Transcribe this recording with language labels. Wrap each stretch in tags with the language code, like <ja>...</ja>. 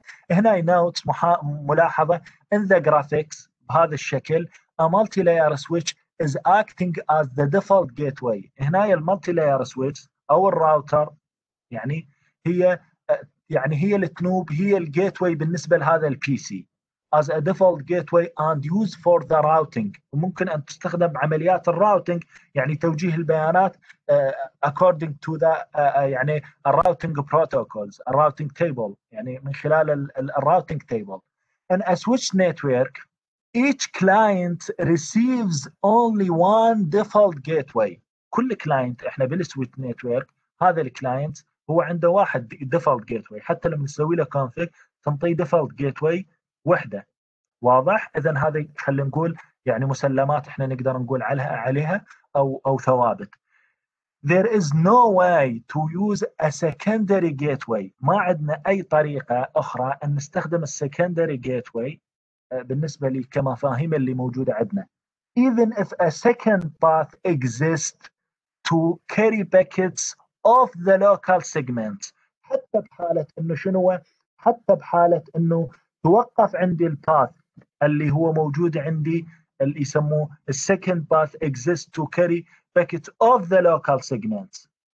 <en>هنا نوت ملاحظه ان ذا جرافيكس</en> <ar>بهذا الشكل،</ar> <en>المالتي لاير سويتش از اكتنج از ذا ديفولت جيت واي.</en> <ar>هنا المالتي لاير سويتش او الراوتر يعني هي اللي تنوب هي الجيت واي بالنسبه لهذا البي سي.</ar> <en>as a default gateway and use for the routing.</en> <ar>ممكن أن تستخدم عمليات الراوتينج يعني توجيه البيانات</ar> <en>according to the</en> <ar>يعني الراوتينج بروتوكولز الراوتينج تيبل يعني من خلال الراوتينج تيبل.</ar> <en>In a switch network, each client receives only one default gateway.</en> <ar>كل كلاينت احنا بالسويت نتورك هذا الكلاينت هو عنده واحد ديفولت جيت واي، حتى لما نسوي له كونفيج تنطيه ديفولت جيت واي وحده. واضح؟ اذا هذه خلينا نقول يعني مسلمات احنا نقدر نقول عليها او ثوابت.</ar> <en>There is no way to use a secondary gateway.</en> <ar>ما عندنا اي طريقه اخرى ان نستخدم السكندري جيت واي بالنسبه لي كمفاهيم اللي موجوده عندنا.</ar> <en>Even if a second path exists to carry packets of the local segments.</en> <ar>حتى بحالة انه شنو حتى بحالة انه توقف عندي الباث اللي هو موجود عندي اللي يسموه</ar> <en>second path exists to carry packets of the local segments.</en>